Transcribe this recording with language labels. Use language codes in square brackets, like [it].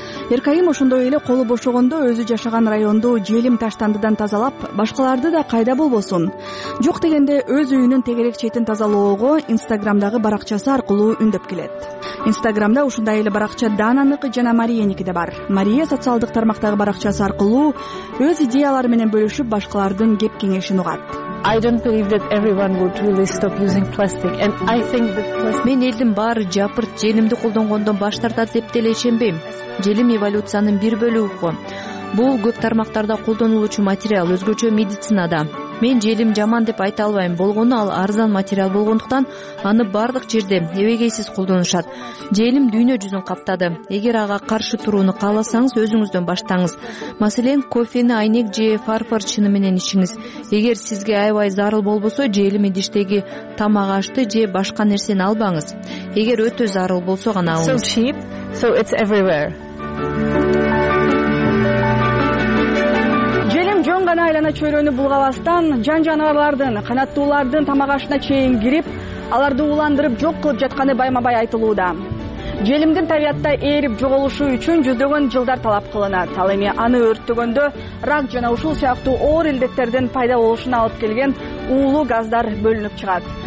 [ky] Эркайым ошондой эле колу бошогондо өзү жашаган райондо желим таштандыдан тазалап, башкаларды да кайда болбосун. Жок дегенде өз үйүнүн тегерек четин тазалоого Инстаграмдагы баракчасы аркылуу үндөп келет. Инстаграмда ушундай эле баракча Дананыкы жана Мариянеки да бар. Мария социалдык тармактагы баракчасы аркылуу өз идеялары менен бөлүшүп, башкалардын кеп кеңешин угат. [en] I don't believe that everyone would really stop using plastic, and I think that plastic. [ky] Мен элдин баары жапырт желимди колдонгондон баш тартат деп деле ишенбейм. Желим эволюциянын бир бөлүгү. Бул көп тармактарда колдонулуучу материал, өзгөчө медицинада. Мен желим жаман деп айта албайм. Болгону ал арзан материал болгондуктан аны бардык жерде эбегейсиз колдонушат. Желим дүйнө жүзүн каптады. Эгер ага каршы турууну кааласаңыз, өзүңүздөн баштаңыз. Маселен, кофени айнек же фарфор чыны менен ичиңиз. Эгер сизге аябай зарыл болбосо, желим идиштеги тамак ашты же башка нерсени албаңыз. Эгер өтө зарыл болсо гана алыңыз. [en] So cheap, so it's everywhere. [ky] Жөн гана айлана чөйрөнү булгабастан жан жаныбарлардын, канаттуулардын тамак ашына чейин кирип, аларды уландырып жок кылып жатканы байма-бай айтылууда. Желимдин табиятта ээрип жоголушу үчүн жүздөгөн жылдар талап кылынат. Ал эми аны өрттөгөндө рак жана ушул сыяктуу оор илдеттердин пайда болушуна алып келген уулуу газдар бөлүнүп чыгат.